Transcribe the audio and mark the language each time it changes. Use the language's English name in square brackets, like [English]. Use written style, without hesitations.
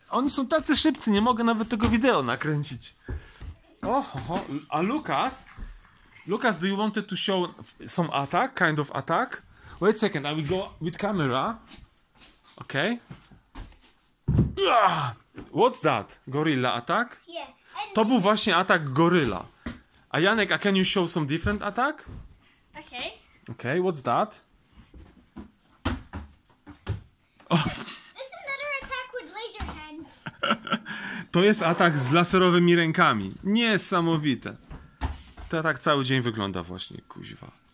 [Polish] Oni są tacy szybcy, nie mogę nawet tego wideo nakręcić. Oh, oh, oh. A Lukas? [English] Lukas, do you want to show some attack, kind of attack? Wait a second, I will go with camera. Okay. What's that? Gorilla attack? Yeah. [Polish] To był właśnie atak goryla. [English] A Janek, a can you show some different attack? Okay. Okay, what's that? This is another attack with laser hands. [Polish] To jest atak z laserowymi rękami. Niesamowite. To tak cały dzień wygląda właśnie, kuźwa.